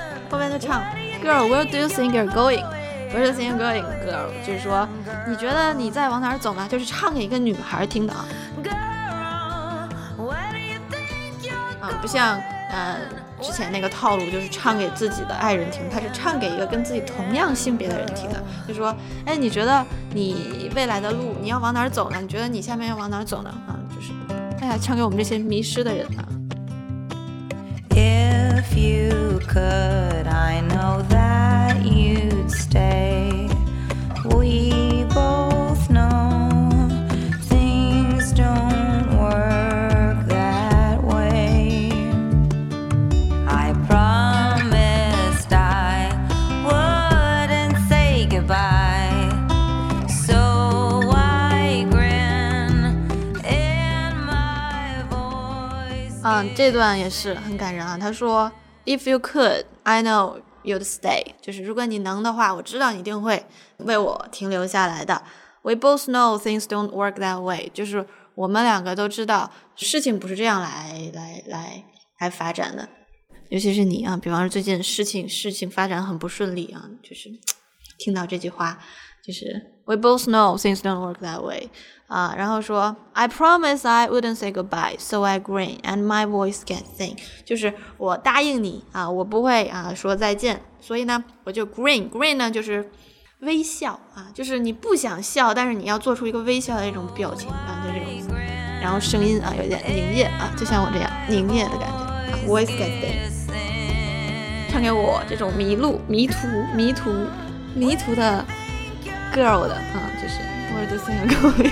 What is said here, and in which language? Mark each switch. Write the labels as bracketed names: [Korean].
[Chinese] 后面就唱 [English] Girl, where do you think you're going? Where do you think you're going, girl? [Chinese] 就是说你觉得你在往哪儿走呢，就是唱给一个女孩听的啊。啊，不像之前那个套路，就是唱给自己的爱人听，他是唱给一个跟自己同样性别的人听的，就说哎，你觉得你未来的路你要往哪儿走呢，你觉得你下面要往哪儿走呢啊，就是哎呀，唱给我们这些迷失的人呢。 [English] If you could, I know that you'd stay. We both know things don't work that way. I promised I wouldn't say goodbye. So I grin in my voice. [Chinese] 这段也是很感人啊，他说 [English] If you could, I know you'd stay. [Chinese] 就是如果你能的话，我知道你一定会为我停留下来的。 [English] We both know things don't work that way. [Chinese] 就是我们两个都知道事情不是这样来发展的。尤其是你啊，比方说最近事情发展很不顺利啊，就是听到这句话，就是 [English] We both know things don't work that way. [Chinese] 啊，然后说 [English] I promise I wouldn't say goodbye, so I grin and my voice gets thin. [Chinese] 就是我答应你啊，我不会啊说再见，所以呢我就 grin 呢就是微笑啊，就是你不想笑，但是你要做出一个微笑的那种表情啊，就这种，然后声音啊有点凝噎啊，就像我这样凝噎的感觉、啊、， [English] voice gets thin， [Chinese] 唱给我这种迷途的。 [English] Girl 的， [Chinese] 就是 [English] Where do things go?